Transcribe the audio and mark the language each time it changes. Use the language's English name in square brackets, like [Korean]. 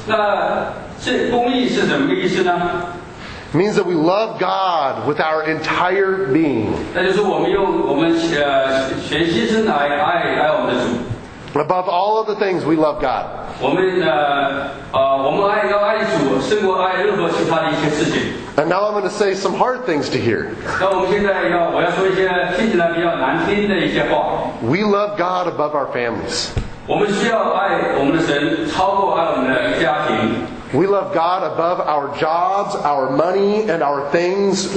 [Chinese] 那这公义是什么意思呢？ [English] It means that we love God with our entire being. [Chinese] 那就是我们用我们全心来爱我们的主。 [English] Above all other things, we love God. [Chinese] 我们要爱主，胜过爱任何其他的一些事情。 [English] And now I'm going to say some hard things to hear. [Chinese] 那我要说一些听起来比较难听的一些话。 [English] We love God above our families. [Chinese] 我们需要爱我们的神，超过爱我们的家庭。 [English] We love God above our jobs, our money, and our things.